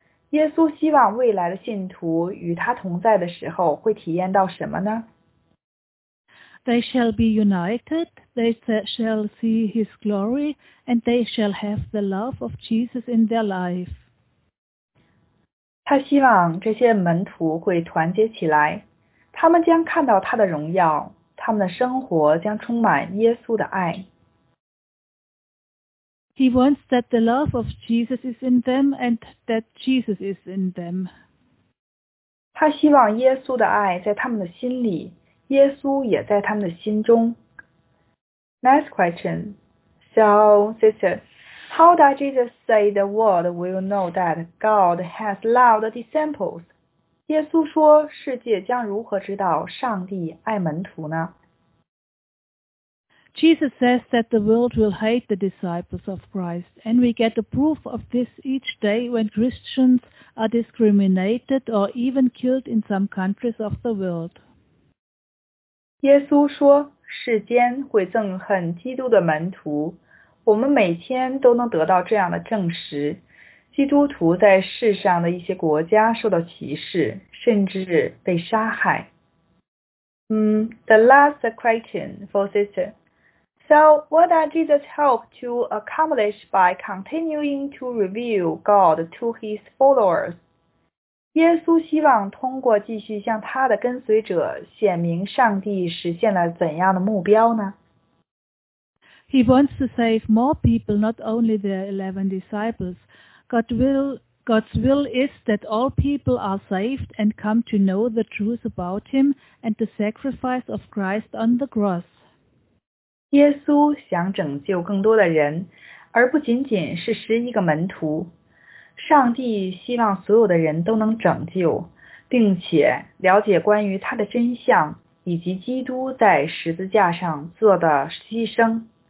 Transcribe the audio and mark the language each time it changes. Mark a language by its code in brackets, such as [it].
[zh] 耶稣希望未来的信徒与他同在的时候会体验到什么呢？ [en] They shall be united, they shall see his glory, and they shall have the love of Jesus in their life. [zh] 他希望这些门徒会团结起来，他们将看到他的荣耀，他们的生活将充满耶稣的爱。 [en] He wants that the love of Jesus is in them and that Jesus is in them. [zh] 他希望耶稣的爱在他们的心里，耶稣也在他们的心中。 [en] Next question. So, sister, how does Jesus say the world will know that God has loved the disciples? [zh] 耶稣说世界将如何知道上帝爱门徒呢？ [en] Jesus says that the world will hate the disciples of Christ, and we get the proof of this each day when Christians are discriminated or even killed in some countries of the world. [zh] 耶稣说，世间会憎恨基督的门徒，我们每天都能得到这样的证实，基督徒在世上的一些国家受到歧视，甚至被杀害。 [en] The last question for sister. So, what does Jesus hope to accomplish by continuing to reveal God to his followers? [zh] 耶稣希望通过继续向他的跟随者显明上帝实现了怎样的目标呢？ [en] He wants to save more people, not only the 11 disciples. God's will is that all people are saved and come to know the truth about him and the sacrifice of Christ on the cross. [zh] 耶稣想拯救更多的人，而不仅仅是11个门徒。上帝希望所有的人都能拯救，并且了解关于他的真相，以及基督在十字架上做的牺牲。